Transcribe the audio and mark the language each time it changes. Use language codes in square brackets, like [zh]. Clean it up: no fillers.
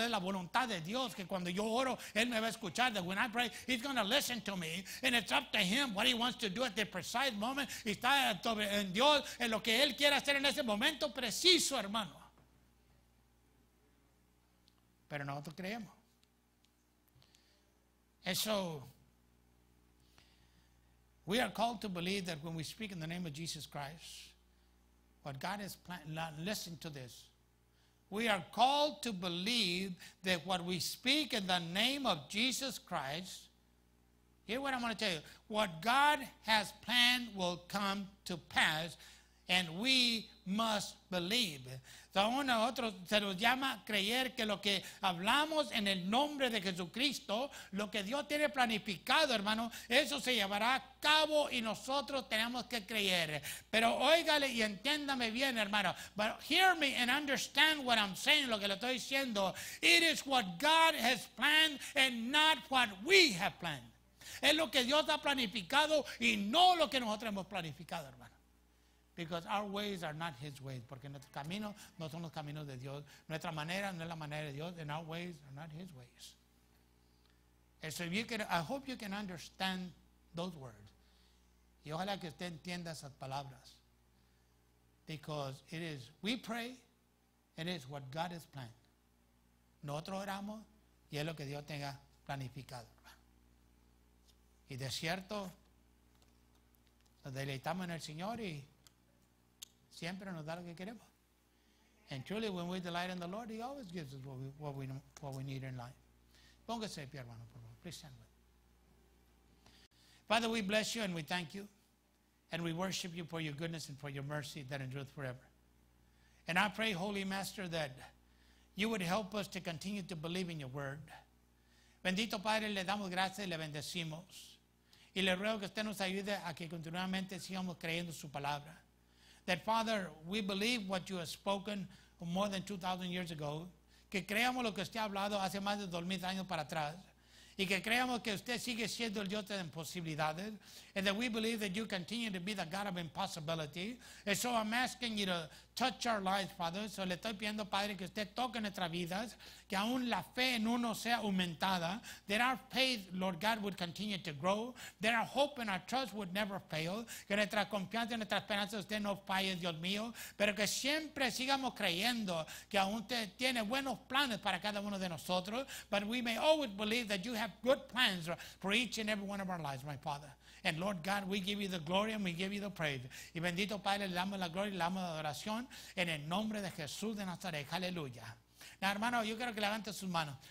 [es] Es la voluntad de Dios que cuando yo oro, Él me va a escuchar. [en] That when I pray, He's going to listen to me. And it's up to Him what He wants to do at the precise moment. [es] Y está en Dios, en lo que Él quiere hacer en ese momento preciso, hermano. Pero nosotros creemos. [en] And so, We are called to believe that when we speak in the name of Jesus Christ, what God has planned, listen to this. We are called to believe that what we speak in the name of Jesus Christ, hear what I'm going to tell you, what God has planned will come to pass, and we must believe. [es] Uno a otro se nos llama creer que lo que hablamos en el nombre de Jesucristo, lo que Dios tiene planificado, hermano, eso se llevará a cabo y nosotros tenemos que creer. Pero óigale y entiéndame bien, hermano. [en] But hear me and understand what I'm saying, [es] lo que le estoy diciendo. [en] It is what God has planned and not what we have planned. [es] Es lo que Dios ha planificado y no lo que nosotros hemos planificado, hermano. [en] Because our ways are not his ways. [es] Porque nuestros caminos no son los caminos de Dios. Nuestra manera no es la manera de Dios. [en] And our ways are not his ways. And so you can, I hope you can understand those words. [es] Y ojalá que usted entienda esas palabras. [en] Because it is, we pray, it is what God has planned. [es] Nosotros oramos y es lo que Dios tenga planificado. Y de cierto, nos deleitamos en el Señor y siempre nos da lo que queremos. [en] And truly, when we delight in the Lord, he always gives us what we need in life. [es] Póngase de pie, hermano, por favor. [en] Please stand with me. Father, we bless you and we thank you. And we worship you for your goodness and for your mercy that endureth forever. And I pray, Holy Master, that you would help us to continue to believe in your word. [es] Bendito Padre, le damos gracias y le bendecimos. Y le ruego que usted nos ayude a que continuamente sigamos creyendo su palabra. [en] That, Father, we believe what you have spoken more than 2,000 years ago. [es] Que creamos lo que usted ha hablado hace más de 2,000 años para atrás. Y que creamos que usted sigue siendo el Dios de imposibilidades. [en] And that we believe that you continue to be the God of impossibility. And so I'm asking you to touch our lives, Father. [es] So le estoy pidiendo, Padre, que usted toque nuestras vidas. Que aún la fe en uno sea aumentada. [en] That our faith, Lord God, would continue to grow. That our hope and our trust would never fail. [es] Que nuestra confianza y nuestra esperanza usted no falle, Dios mío. Pero que siempre sigamos creyendo que aún usted tiene buenos planes para cada uno de nosotros. [en] But we may always believe that you have good plans for each and every one of our lives, my Father. And Lord God, we give you the glory and we give you the praise. [es] Y bendito Padre, le damos la gloria y le damos la adoración en el nombre de Jesús de Nazaret. Hallelujah. Now, hermano, yo quiero que levante sus manos.